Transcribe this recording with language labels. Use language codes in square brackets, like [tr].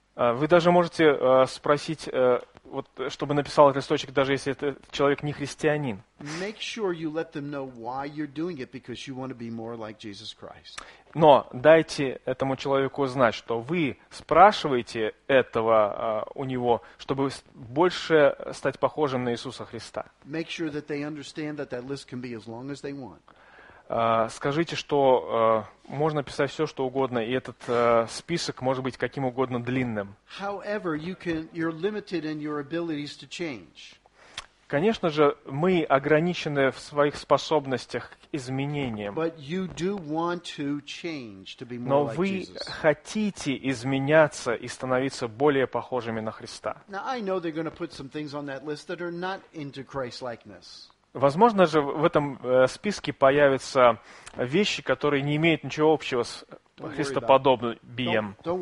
[ru] Вы даже можете спросить, вот, чтобы написал этот листочек, даже если этот человек не христианин. [en] Make sure you let them know why you're doing it, because you want to be more like Jesus Christ. [ru] Но дайте этому человеку знать, что вы спрашиваете этого у него, чтобы больше стать похожим на Иисуса Христа. [en] Make sure that they understand that that list can be as long as they want. [ru] Скажите, что можно писать все, что угодно, и этот список может быть каким угодно длинным. [en] However, you're limited in your abilities to change. [ru] Конечно же, мы ограничены в своих способностях к изменениям. [en] But you do want to change, to be more [ru] Но [en] like [ru] вы [en] Jesus. [ru] Хотите изменяться и становиться более похожими на Христа. [en] Now, I know they're going to put some things on that list that are not into Christ-likeness. [ru] Возможно же, в этом списке появятся вещи, которые не имеют ничего общего с христоподобием.